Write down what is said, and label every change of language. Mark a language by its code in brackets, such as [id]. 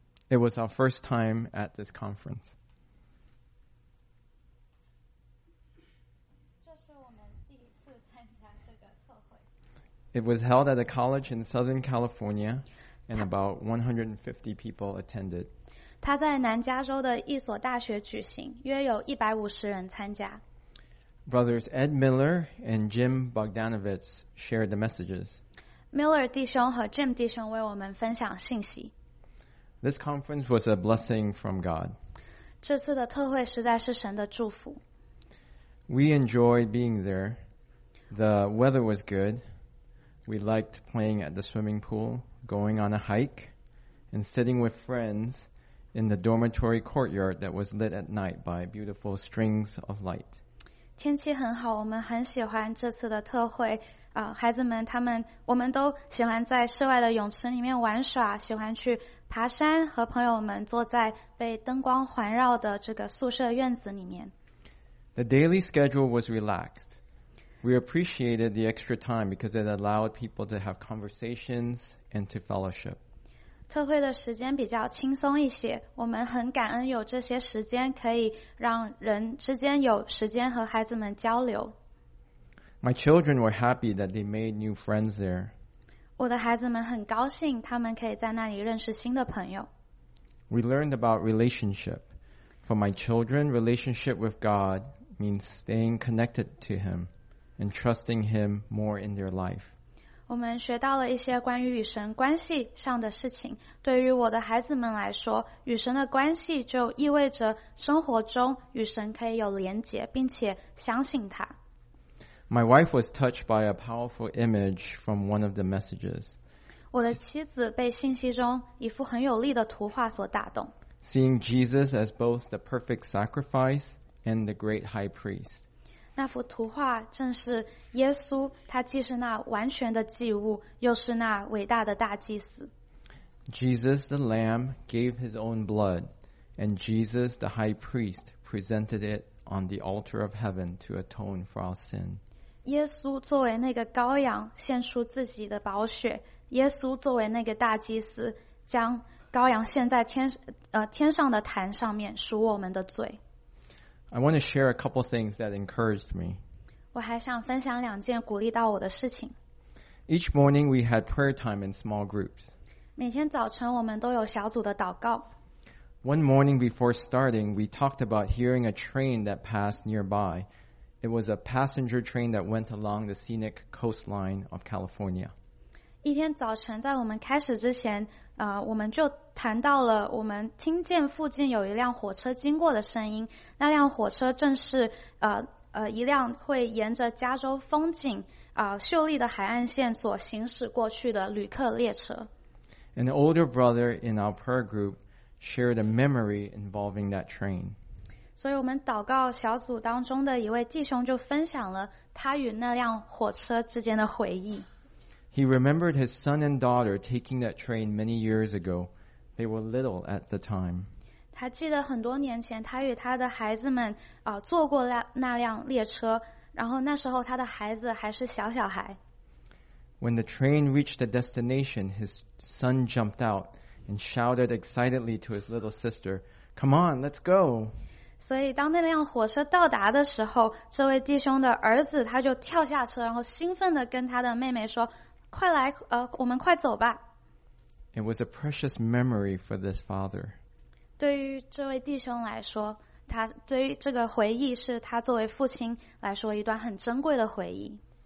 [en] It was our first time at this conference. It was held at a college in Southern California, and about 150 people attended. [zh] 它在南加州的一所大学举行，约有150人参加。 [en] Brothers Ed Miller and Jim Bogdanovitz shared the messages. [zh] Miller 弟兄和 Jim 弟兄为我们分享信息。 [en] This conference was a blessing from God. [zh] 这次的特会实在是神的祝福。 [en] We enjoyed being there. The weather was good. We liked playing at the swimming pool, going on a hike, and sitting with friends in the dormitory courtyard that was lit at night by beautiful strings of light. [zh] 天气很好，我们很喜欢这次的特会。孩子们，我们都喜欢在室外的泳池里面玩耍，喜欢去爬山，和朋友们坐在被灯光环绕的这个宿舍院子里面。 [en] The daily schedule was relaxed. We appreciated the extra time because it allowed people to have conversations and to fellowship. [zh] 特会的时间比较轻松一些，我们很感恩有这些时间可以让人之间有时间和孩子们交流。 [en] My children were happy that they made new friends there. [zh] 我的孩子们很高兴他们可以在那里认识新的朋友。 [en] We learned about relationship. For my children, relationship with God means staying connected to Him and trusting Him more in their life. [zh] 我们学到了一些关于与神关系上的事情。对于我的孩子们来说，与神的关系就意味着生活中与神可以有连结，并且相信他。 [en] My wife was touched by a powerful image from one of the messages. [zh] 我的妻子被信息中一幅很有力的图画所打动。 [en] Seeing Jesus as both the perfect sacrifice and the great high priest. [zh] 那幅图画正是耶稣，他既是那完全的祭物，又是那伟大的大祭司。 [en] Jesus the Lamb gave his own blood, and Jesus the high priest presented it on the altar of heaven to atone for our sin. [zh] 耶稣作为那个羔羊献出自己的宝血，耶稣作为那个大祭司将羔羊献在天上的坛上面赎我们的罪。 [en] I want to share a couple things that encouraged me. [zh] 我还想分享两件鼓励到我的事情。 [en] Each morning we had prayer time in small groups. [zh] 每天早晨我们都有小组的祷告。 [en] One morning before starting, we talked about hearing a train that passed nearby. It was a passenger train that went along the scenic coastline of California. [zh] 一天早晨在我们开始之前，我们就谈到了我们听见附近有一辆火车经过的声音。那辆火车正是一辆会沿着加州风景秀丽的海岸线所行驶过去的旅客列车。 [en] An older brother in our prayer group shared a memory involving that train. [zh] 所以我们祷告小组当中的一位弟兄就分享了他与那辆火车之间的回忆。 [en] He remembered his son and daughter taking that train many years ago. They were little at the time. [zh] 他记得很多年前他与他的孩子们坐过那辆列车，然后那时候他的孩子还是小小孩。 [en] When the train reached the destination, his son jumped out and shouted excitedly to his little sister, "Come on, let's go!" [zh] 所以当那辆火车到达的时候，这位弟兄的儿子他就跳下车，然后兴奋地跟他的妹妹说，快来，我们快走吧。 [en] It was a precious memory for this father. [zh] 对于这位弟兄来说，他对于这个回忆是他作为父亲来说一段很珍贵的回忆。